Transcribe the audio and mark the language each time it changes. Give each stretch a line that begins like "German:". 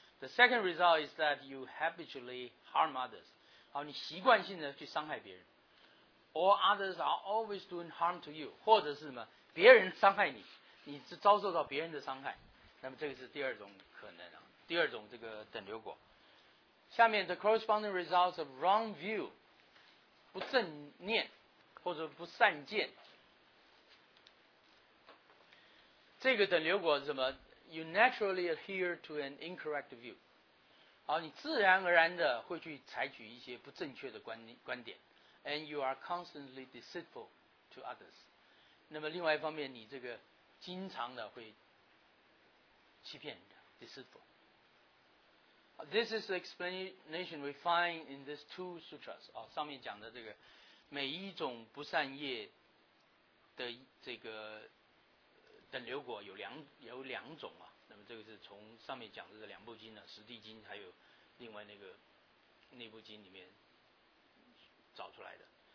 English: The second result is that you habitually harm others.
Chinese: 好，你习惯性的去伤害别人。
English: Or others are always doing harm to you.
Chinese: 或者是什么？别人伤害你，你是遭受到别人的伤害。那么这个是第二种可能啊，第二种这个等流果。下面
English: the corresponding results of wrong view,
Chinese: 不正念或者不善见。这个等流果是什么？
English: You naturally adhere to an incorrect view.
Chinese: 好，你自然而然的会去采取一些不正确的观点。
English: And you are constantly deceitful to others.
Chinese: 那么另外一方面，你这个经常的会欺骗人家， deceitful.
English: This is the explanation we find in these two sutras.
Chinese: 哦，上面讲的这个每一种不善业的这个等流果有两种啊，那么这个是从上面讲的这两部经呢、啊，《十地经》还有另外那个内部经里面找出来的。